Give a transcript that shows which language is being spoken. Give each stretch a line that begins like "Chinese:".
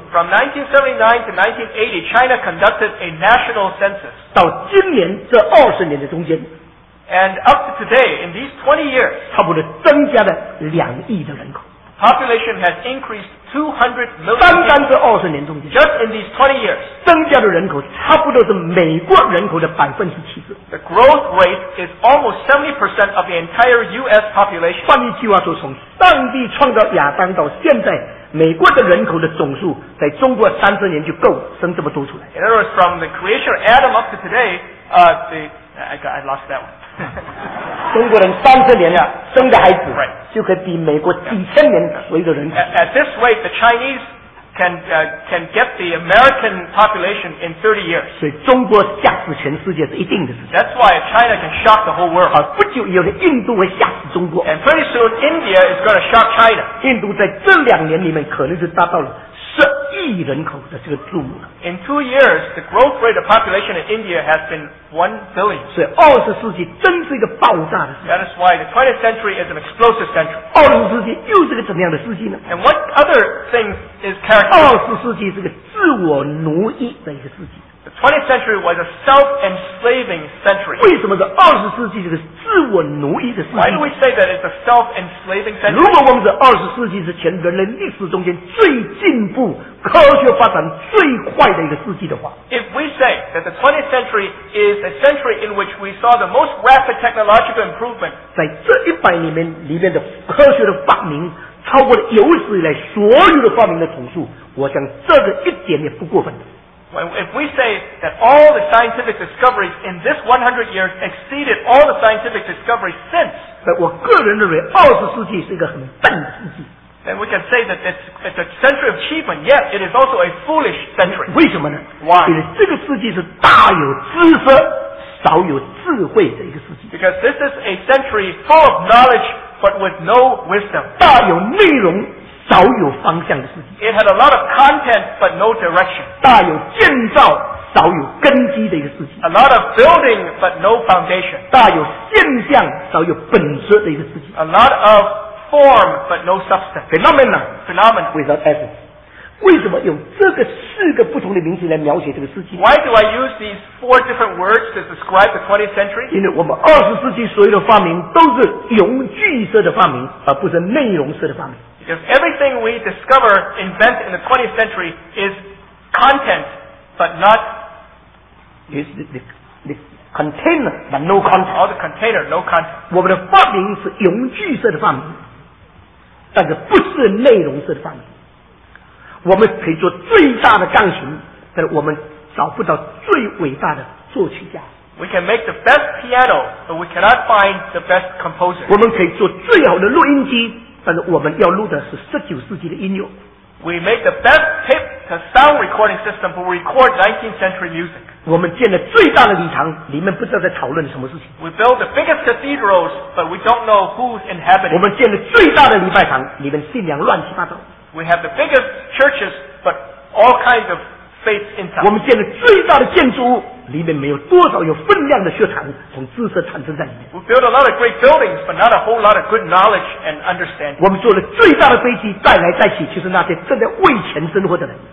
English: From 1979 to 1980, China conducted a national census.
Chinese: 到今年这二十年的中间。
English: And up to today, in these 20 years,
Chinese: 差不多增加了2亿的人口。
English: Population has increased 200 million.
Chinese: 单单这二十年中间。
English: Just in these 20 years,
Chinese: 增加的人口差不多是美国人口的70%。
English: The growth rate is almost 70% of the entire U.S. population.
Chinese: 换一句话说，从上帝创造亚当到现在，美国的人口的总数在中国30年就够生这么多出来。
English: In other words, from the creation of Adam up to today, I lost that one.
Chinese: 中国人30年了生的孩子、
English: right.
Chinese: 就可以比美国几千年为的人口。
English: at this rate, the Chinese can get the American population in 30 years.
Chinese: 所以中国吓死全世界是一定的事情。
English: That's why China can shock the whole world.
Chinese: 好，不久以后的印度会吓死中国。
English: And pretty soon, India is going to shock China.
Chinese: 印度在这两年里面可能是达到了10亿人口的这个数目。
English: In 2 years, the growth rate of population in India has been 1 billion.
Chinese: 所以二十世纪真是一个爆炸的世纪。
English: That is why the 20th century is an explosive century.
Chinese: 二十世纪又是个怎么样的世纪呢？
English: And what other thing is characteristic?
Chinese: 二十世纪是个自我奴役的一个世纪。
English: The 20th century was a self-enslaving century.
Chinese: 为什么是二十世纪这个自我奴役的世纪？
English: Why do we say that it's a self-enslaving century?
Chinese: 如果我们是二十世纪之前人类历史中间最进步科学发展最快的一个世纪的话，
English: If we say that the 20th century is a century in which we saw the most rapid technological improvement,
Chinese: 在这一百年里面的科学的发明超过了有史以来所有的发明的总数，我想这个一点也不过分的。
English: If we say that all the scientific discoveries in this 100 years exceeded all the scientific discoveries since,
Chinese: 但我个人认为二十世纪是一个很笨的世纪。
English: And we can say that it's a century of achievement, yet it is also a foolish century.
Chinese: 为什么呢？
English: Why?
Chinese: 因为这个世纪是大有知识，少有智慧的一个世纪。
English: Because this is a century full of knowledge, but with no wisdom.
Chinese: 大有内容，少有方向的世纪。
English: It had a lot of content, but no direction.
Chinese: 大有建造，少有根基的一个世纪。
English: A lot of building, but no foundation.
Chinese: 大有现象，少有本质的一个世纪。
English: A lot of form but no substance. Phenomena without essence.
Chinese: 为什么用这个四个不同的名词来描写这个世纪？
English: Why do I use these 4 different words to describe the 20th century?
Chinese: 因为我们二十世纪所有的发明都是用句式的发明，而不是内容式的发明。
English: Because everything we discover, invent in the 20th century is content, but not is the container, but no content. All the container, no content.
Chinese: 我们的发明是用句式的发明。但是不是内容式的发明，我们可以做最大的钢琴，但我们找不到最伟大的作曲家。
English: We can make the best piano, but we cannot find the best composer.
Chinese: 我们可以做最好的录音机，但是我们要录的是19世纪的音乐。
English: We make the best sound recording system to record 19th century music. We built the biggest cathedrals, but we don't know who's inhabiting.
Chinese: 我们建了最大的礼拜堂，里面信仰乱七八糟。
English: We have the biggest churches, but all kinds of faith inside.
Chinese: 我们建了最大的建筑物，里面没有多少有分量的血统从知识产生在里面。
English: We built a lot of great buildings, but not a whole lot of good knowledge and understanding.
Chinese: 我们坐了最大的飞机，带来带去，就是那些正在为钱生活的人。